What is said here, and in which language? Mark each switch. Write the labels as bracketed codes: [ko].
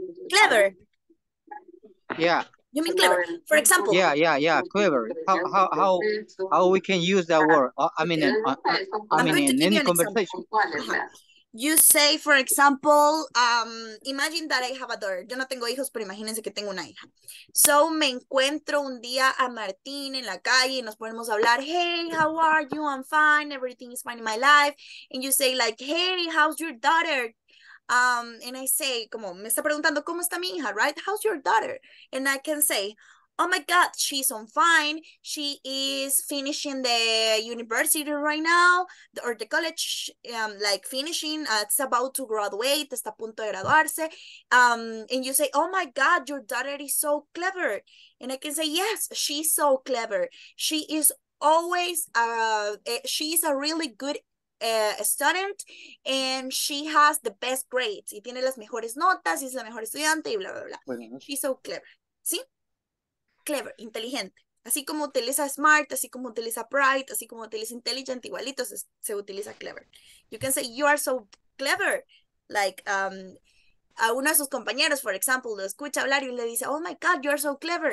[en] Clever. Yeah. You mean clever? For example. Yeah. Clever. How we can use that word? I mean, in any conversation. You say, for example, imagine that I have a daughter. [es] Yo no tengo hijos, pero imagínense que tengo una hija. So, me encuentro un día a Martín en la calle y nos ponemos a hablar. [en] Hey, how are you? I'm fine. Everything is fine in my life. And you say, like, hey, how's your daughter? And I say, [es] como, me está preguntando, ¿cómo está mi hija? [en] Right? How's your daughter? And I can say, oh my God, she's on fine. She is finishing the university right now, or the college, like finishing. It's about to graduate. [es] Está a punto de graduarse. [en] And you say, oh my God, your daughter is so clever. And I can say, yes, she's so clever. She is always, she's a really good student, and she has the best grades. [es] Y tiene las mejores notas, y es la mejor estudiante, y bla, bla, bla. Bueno. [en] She's so clever. ¿Sí? Clever, inteligente. [es] Así como utiliza smart, así como utiliza bright, así como utiliza intelligent, igualito se utiliza clever. [en] You can say, you are so clever. Like, [es] a uno de sus compañeros, [en] for example, [es] lo escucha hablar y le dice, [en] oh my God, you are so clever.